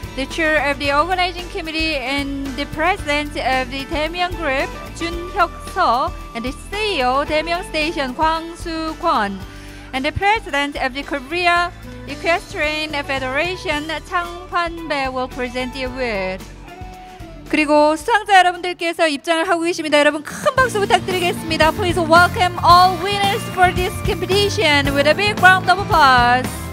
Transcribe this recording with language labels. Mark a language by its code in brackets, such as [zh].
[en] The chair of the organizing committee and the president of the 대명그룹 준혁서 and the CEO 대명스테이션 광수권 and the president of the Korea Equestrian Federation 창환배 will present the award. [ko] 그리고 수상자 여러분들께서 입장을 하고 계십니다. 여러분 큰 박수 부탁드리겠습니다. [en] Please welcome all winners for this competition with a big round of applause.